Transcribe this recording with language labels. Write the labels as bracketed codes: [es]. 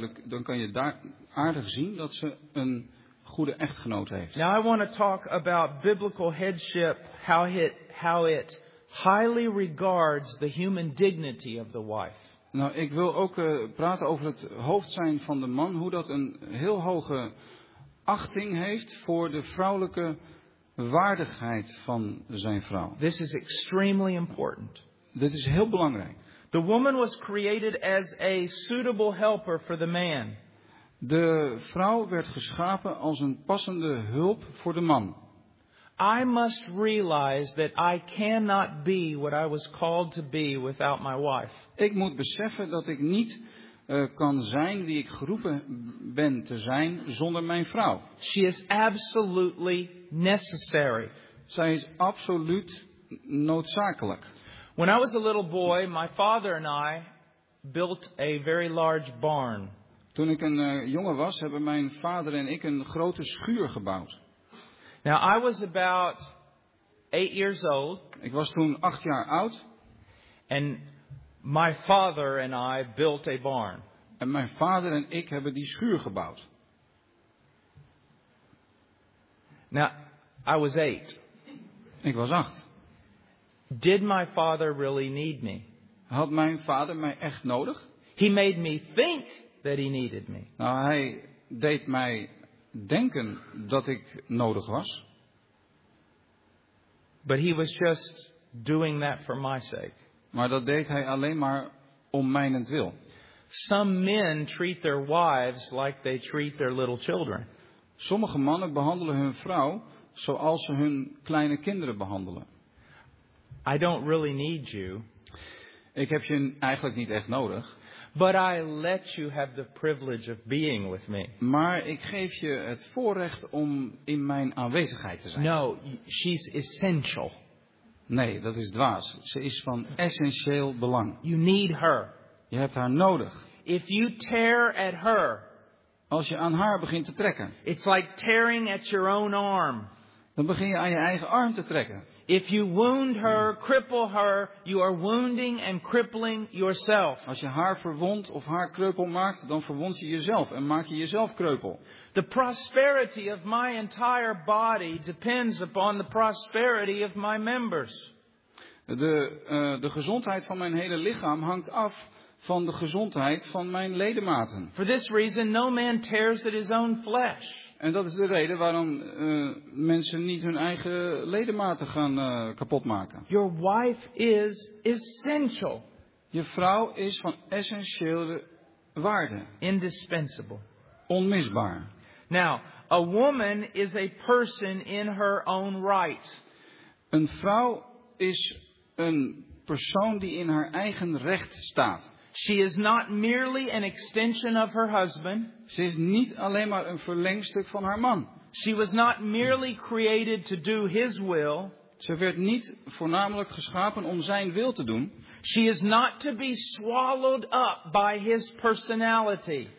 [nl] Dan kan je heel duidelijk zien dat ze een goede echtgenoot heeft. [en] Now I want to talk about biblical headship, how it highly regards the human dignity of the wife. [nl] Nou, ik wil ook praten over het hoofd zijn van de man, hoe dat een heel hoge achting heeft voor de vrouwelijke waardigheid van zijn vrouw. [en] This is extremely important. [nl] Dit is heel belangrijk. [en] The woman was created as a suitable helper for the man. [nl] De vrouw werd geschapen als een passende hulp voor de man. [en] I must realize that I cannot be what I was called to be without my wife. [nl] Ik moet beseffen dat ik niet kan zijn wie ik geroepen ben te zijn zonder mijn vrouw. [en] She is absolutely necessary. [nl] Zij is absoluut noodzakelijk. [en] When I was a little boy, my father and I built a very large barn. [nl] Toen ik een jongen was, hebben mijn vader en ik een grote schuur gebouwd. [en] Now I was about 8 years old. [nl] Ik was toen 8 jaar oud. [en] And my father and I built a barn. [nl] En mijn vader en ik hebben die schuur gebouwd. [en] Now I was 8. [nl] Ik was 8. [en] Did my father really need me? [nl] Had mijn vader mij echt nodig? [en] He made me think that he needed me. [nl] Nou, hij deed mij denken dat ik nodig was. [en] But he was just doing that for my sake. [nl] Maar dat deed hij alleen maar om mijnentwil. [en] Some men treat their wives like they treat their little children. [nl] Sommige mannen behandelen hun vrouw zoals ze hun kleine kinderen behandelen. [en] I don't really need you. [nl] Ik heb je eigenlijk niet echt nodig. [en] But I let you have the privilege of being with me. [nl] Maar ik geef je het voorrecht om in mijn aanwezigheid te zijn. [en] No, she's essential. [nl] Nee, dat is dwaas. Ze is van essentieel belang. [en] You need her. [nl] Je hebt haar nodig. [en] If you tear at her. [nl] Als je aan haar begint te trekken. [en] It's like tearing at your own arm. [nl] Dan begin je aan je eigen arm te trekken. [en] If you wound her, cripple her, you are wounding and crippling yourself. [nl] Als je haar verwondt of haar kreupel maakt, dan verwond je jezelf en maak je jezelf kreupel. [en] The prosperity of my entire body depends upon the prosperity of my members. [nl] De gezondheid van mijn hele lichaam hangt af van de gezondheid van mijn ledematen. [en] For this reason, no man tears at his own flesh. [nl] En dat is de reden waarom mensen niet hun eigen ledematen gaan kapotmaken. [en] Your wife is essential. [nl] Je vrouw is van essentiële waarde. [en] Indispensable. [nl] Onmisbaar. [en] Now, a woman is a person in her own right. [nl] Een vrouw is een persoon die in haar eigen recht staat. [en] She is not merely an extension of her husband. [nl] Ze is niet alleen maar een verlengstuk van haar man. [en] She was not merely created to do his will. [nl] Ze werd niet voornamelijk geschapen om zijn wil te doen. [en] She is not to be swallowed up by his personality.